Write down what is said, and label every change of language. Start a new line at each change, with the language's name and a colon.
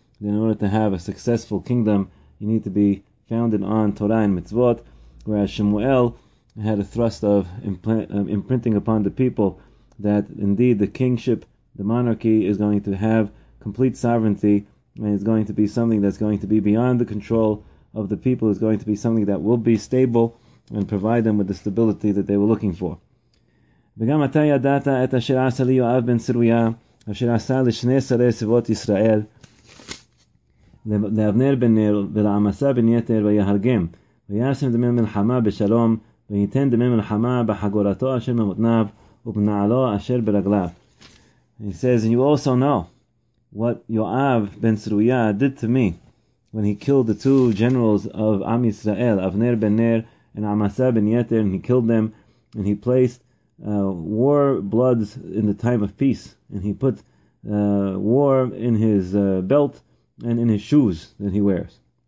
English: In order to have a successful kingdom, you need to be founded on Torah and mitzvot, whereas Shmuel had a thrust of imprinting upon the people that indeed the kingship, the monarchy, is going to have complete sovereignty, and is going to be something that's going to be beyond the control of the people, is going to be something that will be stable and provide them with the stability that they were looking for.
Hebrew: וגם אתה ידעת את אשר עשה לי יואב בן סרויה, אשר עשה לשני שרי סביבות ישראל, לאבנר בן נר ולעמסה בן יתר ויהרגם, וישם דמי מלחמה בשלום, וייתן דמי מלחמה בחגורתו אשר במותניו, ובנעלו אשר ברגליו.
English: He says, and you also know what Yoav ben Tzruya did to me when he killed the two generals of Am Yisrael, Avner ben Ner and Amasa ben Yeter, and he killed them, and he placed war bloods in the time of peace, and he put war in his belt and in his shoes that he wears.